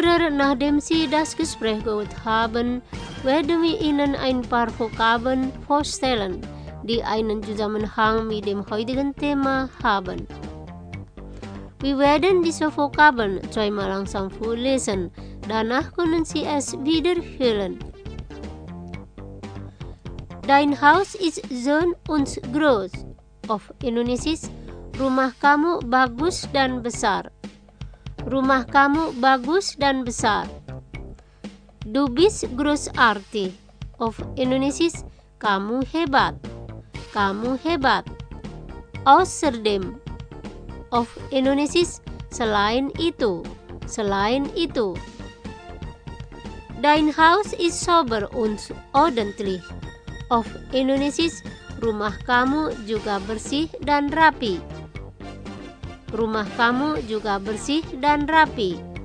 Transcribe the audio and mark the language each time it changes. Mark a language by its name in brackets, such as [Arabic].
[German] Nachdem Sie das Gespräch gehört haben, werden wir Ihnen ein paar Vokabeln vorstellen, die einen Zusammenhang mit dem heutigen Thema haben. Wir werden diese Vokabeln zweimal langsam vorlesen, danach können Sie es wiederholen. Dein Haus ist schön und groß. Auf Indonesisch, [Indonesian] rumah kamu bagus dan besar. Rumah kamu bagus dan besar. [German] Du bist großartig. Auf Indonesisch, [Indonesian] kamu hebat. Kamu hebat. [German] Außerdem. Auf Indonesisch, [Indonesian] selain itu. Selain itu. [German] Dein Haus ist sauber und ordentlich. Auf Indonesisch, [Indonesian] rumah kamu juga bersih dan rapi. Rumah kamu juga bersih dan rapi.